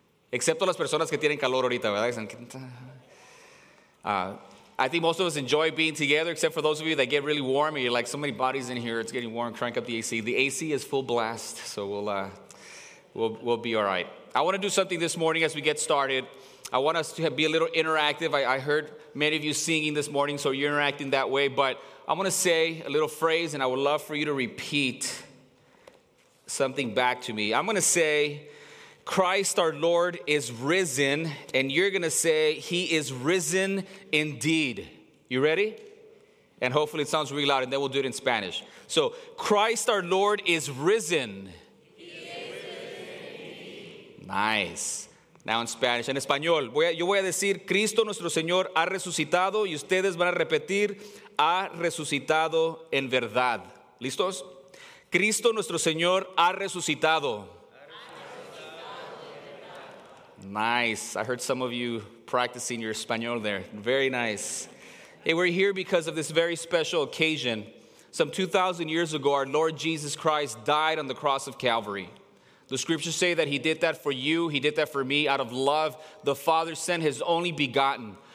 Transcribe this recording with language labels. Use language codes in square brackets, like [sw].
[es] Excepto las personas que tienen calor ahorita, ¿verdad? [en] I think most of us enjoy being together, except for those of you that get really warm and you're like, so many bodies in here, it's getting warm, crank up the AC. The AC is full blast, so we'll be all right. I want to do something this morning as we get started. I want us to be a little interactive. I heard many of you singing this morning, so you're interacting that way. But I'm going to say a little phrase, and I would love for you to repeat something back to me. I'm going to say, Christ our Lord is risen, and you're going to say, He is risen indeed. You ready? And hopefully it sounds really loud, and then we'll do it in Spanish. So, Christ our Lord is risen. He is risen indeed. Nice. Now in Spanish. [es] En español, yo voy a decir, Cristo nuestro Señor ha resucitado, y ustedes van a repetir, ha resucitado en verdad. ¿Listos? Cristo nuestro Señor ha resucitado. [en] Nice. I heard some of you practicing your español there. Very nice. Hey, we're here because of this very special occasion. Some 2,000 years ago, our Lord Jesus Christ died on the cross of Calvary. The scriptures say that He did that for you. He did that for me. Out of love, the Father sent His only begotten.